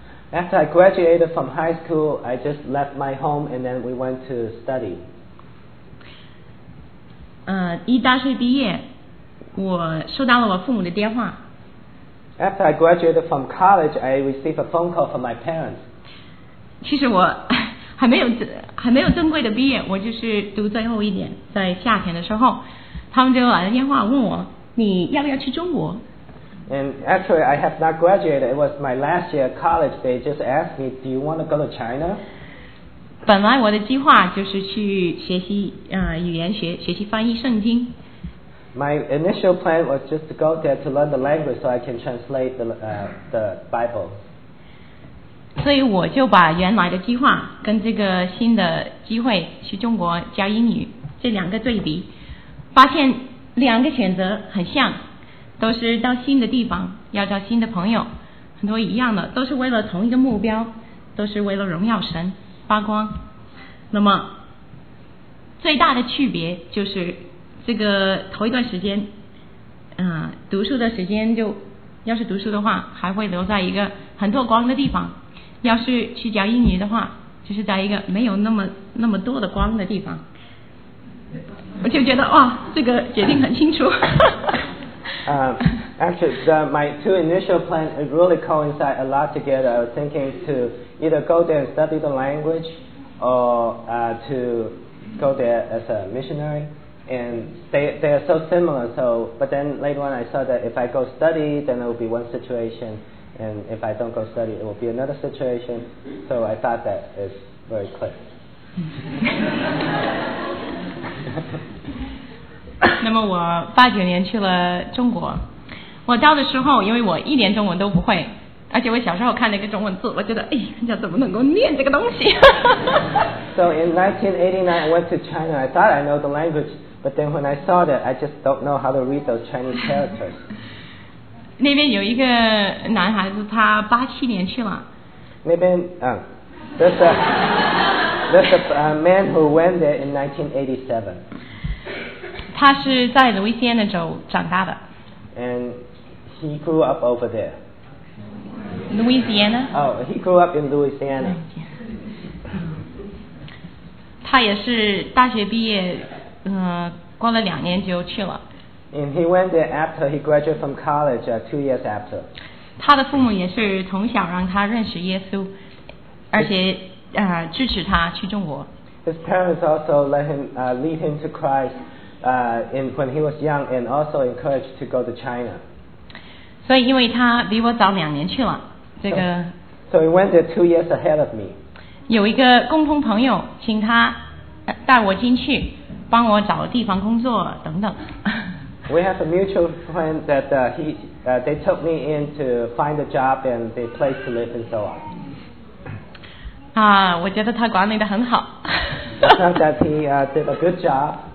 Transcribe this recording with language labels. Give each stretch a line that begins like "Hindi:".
English: After I graduated from high school, I just left my home and then we went to study.
Chinese: 一大学毕业，我收到了我父母的电话。
English: After I graduated from college, I received a phone call from my parents.
Chinese: 其实我还没有正规的毕业，我就是读最后一年，在夏天的时候，他们就来了电话问我，你要不要去中国？
English: And actually, I have not graduated. It was my last year of college. They just asked me, "Do you want to go to China?"
Chinese: 本来我的计划就是去学习语言学，学习翻译圣经。
English: My initial plan was just to go there to learn the language so I can translate the Bible.
Chinese: 所以我就把原来的计划跟这个新的机会去中国教英语这两个对比，发现两个选择很像。都是到新的地方，要找新的朋友，很多一样的，都是为了同一个目标，都是为了荣耀神发光。那么最大的区别就是这个头一段时间读书的时间，就要是读书的话还会留在一个很多光的地方，要是去教英语的话就是在一个没有那么多的光的地方。我就觉得哇，这个决定很清楚。
English: My two initial plans really coincide a lot together. I was thinking to either go there and study the language or to go there as a missionary. And they are so similar. But then later on, I saw that if I go study, then it will be one situation. And if I don't go study, it will be another situation. So I thought that is very clear.
Chinese: 那么我89年去了中国，我到的时候因为我一点中文都不会，而且我小时候看那个中文字，我觉得哎，人家怎么能够念这个东西？
English: So in 1989, I went to China. I thought I know the language, but then when I saw that, I just don't know how to read those Chinese characters.
Chinese: 那边有一个男孩子，他87年去了。那边啊、
English: there's a man who went there in 1987.
Chinese: 他是在路易斯安那州长大的。
English: And he grew up over there. Louisiana. Oh, he grew up in Louisiana.
Chinese: 他也是大学毕业，过了两年就去了。
English: And he went there after he graduated from college, two years after.
Chinese: 他的父母也是从小让他认识耶稣，而且支持他去中国。
English: His parents also let him lead him to Christ, when he was young, and also encouraged to go to China.
Chinese: 所以因为他比我早两年去了这个
English: so he went there 2 years ahead of me.
Chinese: 有一个共同朋友请他带我进去帮我找地方工作等等
English: We have a mutual friend that they took me in to find a job and the place to live and so on.
Chinese: 啊，我觉得他管理得很好
English: I thought that he did a good job.